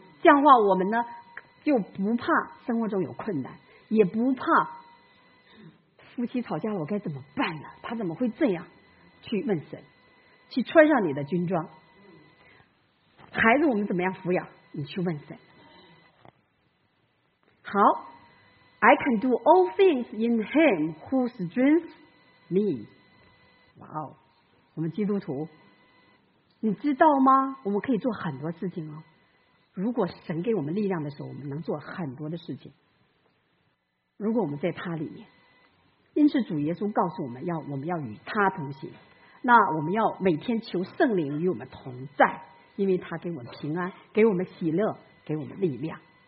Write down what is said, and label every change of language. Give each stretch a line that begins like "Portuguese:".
Chinese: 这样的话，我们呢就不怕生活中有困难，也不怕夫妻吵架了，我该怎么办呢？他怎么会这样？去问神。去穿上你的军装，孩子我们怎么样抚养，你去问神。
English: 好， I can do all things in him who strengthens me。
Chinese: 哇哦，我们基督徒你知道吗，我们可以做很多事情哦。如果神给我们力量的时候，我们能做很多的事情，如果我们在他里面。因此主耶稣告诉我们，要我们要与他同行，那我们要每天求圣灵与我们同在，因为他给我们平安，给我们喜乐，给我们力量。